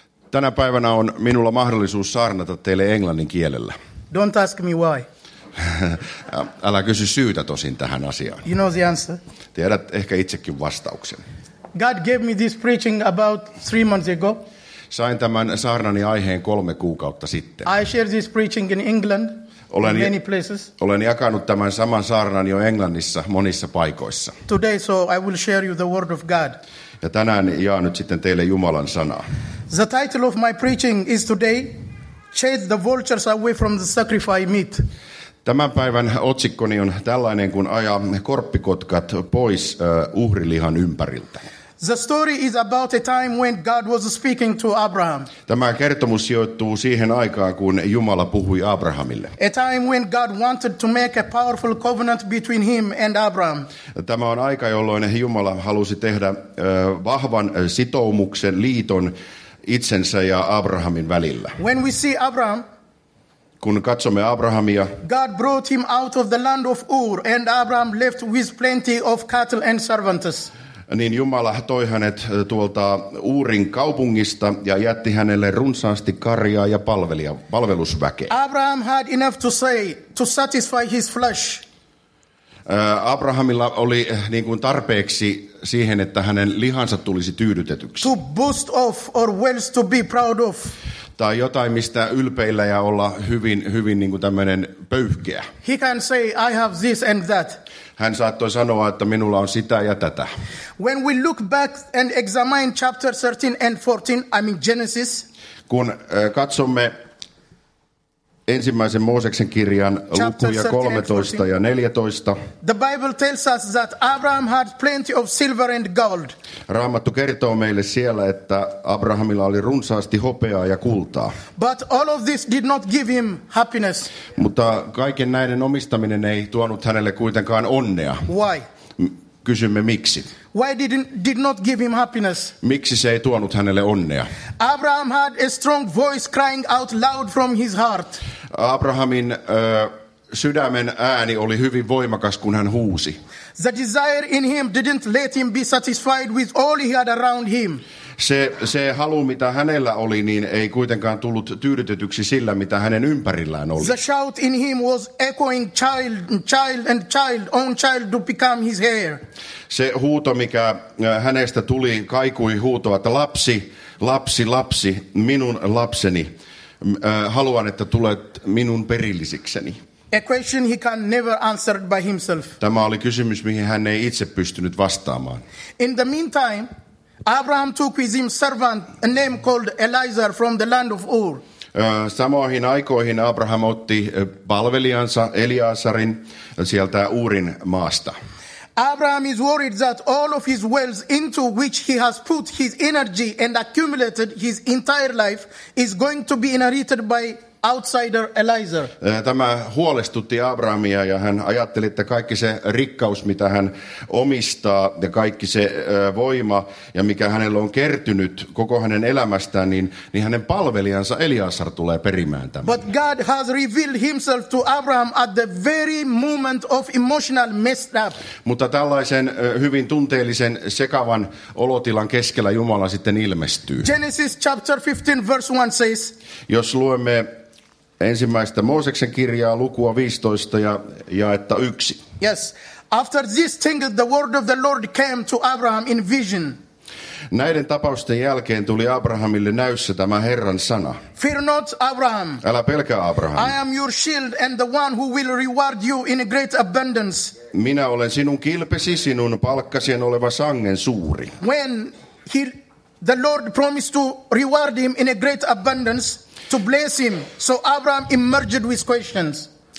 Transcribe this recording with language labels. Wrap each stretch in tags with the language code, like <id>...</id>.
<fi>Tänä päivänä on minulla mahdollisuus saarnata teille englannin kielellä.</fi> <en>Don't ask me why.</en> <fi>Älä kysy syytä tosin tähän asiaan.</fi> <en>You know the answer.</en> <fi>Tiedät ehkä itsekin vastauksen.</fi> <en>God gave me this preaching about 3 months ago.</en> <fi>Sain tämän saarnani aiheen 3 kuukautta sitten.</fi> <en>I shared this preaching in England.</en> <fi>Olen jakanut tämän saman saarnan jo Englannissa monissa paikoissa.</fi> <en>Today, so I will share you the word of God.</en> <fi>Ja tänään jaan nyt sitten teille Jumalan sanaa.</fi> <en>The title of my preaching is today, Chase the vultures away from the sacrifice meat.</en> <fi>Tämän päivän otsikkoni on tällainen kuin aja korppikotkat pois uhrilihan ympäriltä.</fi> <en>The story is about a time when God was speaking to Abraham.</en> <fi>Tämä kertomus sijoittuu siihen aikaan, kun Jumala puhui Abrahamille.</fi> <en>A time when God wanted to make a powerful covenant between him and Abraham.</en> <fi>Tämä on aika, jolloin Jumala halusi tehdä vahvan sitoumuksen, liiton itsensä ja Abrahamin välillä.</fi> <en>When we see Abraham,</en> <fi>kun katsomme Abrahamia,</fi> <en>God brought him out of the land of Ur, and Abraham left with plenty of cattle and servants.</en> <fi>Niin Jumala toi hänet tuolta Uurin kaupungista ja jätti hänelle runsaasti karjaa ja palvelusväkeä.</fi> <en>Abraham had enough to say to satisfy his flesh.</en> <fi>Abrahamilla oli niin kuin tarpeeksi siihen, että hänen lihansa tulisi tyydytetyksi.</fi> <en>To boast of or wealth to be proud of.</en> <fi>Tai jotain, mistä ylpeillä ja olla hyvin niin kuin tämmöinen pöyhkeä.</fi> <en>He can say, I have this and that.</en> <fi>Hän saattoi sanoa, että minulla on sitä ja tätä.</fi> <en>When we look back and examine chapter 13 and 14, I mean Genesis.</en> <fi>Kun katsomme ensimmäisen Mooseksen kirjan lukuja 13 ja 14.</fi> <en>The Bible tells us that Abraham had plenty of silver and gold.</en> <fi>Raamattu kertoo meille siellä, että Abrahamilla oli runsaasti hopeaa ja kultaa.</fi> <en>But all of this did not give him happiness.</en> <fi>Mutta kaiken näiden omistaminen ei tuonut hänelle kuitenkaan onnea.</fi> <en>Why?</en> <fi>Kysymme miksi.</fi> <en>Why did not give him happiness?</en> <fi>Miksi se ei tuonut hänelle onnea?</fi> <en>Abraham had a strong voice crying out loud from his heart.</en> <fi>Abrahamin sydämen ääni oli hyvin voimakas, kun hän huusi.</fi> <en>The desire in him didn't let him be satisfied with all he had around him.</en> <fi>Se halu, mitä hänellä oli, niin ei kuitenkaan tullut tyydytetyksi sillä, mitä hänen ympärillään oli.</fi> <en>The shout in him was echoing child, own child to become his heir.</en> <fi>Se huuto, mikä hänestä tuli, kaikui huutoa, että lapsi, minun lapseni, haluan, että tulet minun perillisikseni.</fi> <en>A question he can never answer by himself.</en> <fi>Tämä oli kysymys, mihin hän ei itse pystynyt vastaamaan.</fi> <en>In the meantime, Abraham took with him servant, a name called Eliezer from the land of Ur.</en> <fi>Samoihin aikoihin Abraham otti palvelijansa Eliasarin sieltä Uurin maasta.</fi> <en>Abraham is worried that all of his wealth into which he has put his energy and accumulated his entire life is going to be inherited by outsider Eliezer.</en> <fi>Tämä huolestutti Abrahamia ja hän ajatteli, että kaikki se rikkaus, mitä hän omistaa ja kaikki se voima ja mikä hänellä on kertynyt koko hänen elämästään, niin hänen palvelijansa Eliasar tulee perimään tämän.</fi> <en>But God has revealed himself to Abraham at the very moment of emotional mess-up.</en> <fi>Mutta tällaisen hyvin tunteellisen sekavan olotilan keskellä Jumala sitten ilmestyy.</fi> <en>Genesis chapter 15 verse 1 says.</en> <fi>Jos luemme ensimmäistä Mooseksen kirjaa lukua 15 ja jaetta 1.</fi> <en>Yes. After this thing the word of the Lord came to Abraham in vision.</en> <fi>Näiden tapausten jälkeen tuli Abrahamille näyssä tämä Herran sana.</fi> <en>Fear not, Abraham.</en> <fi>Älä pelkää, Abraham.</fi> <en>I am your shield and the one who will reward you in a great abundance.</en> <fi>Minä olen sinun kilpesi, sinun palkkasi on oleva sangen suuri.</fi> <en>When the Lord promised to reward him in a great abundance. To bless him, so Abraham emerged with questions.</en>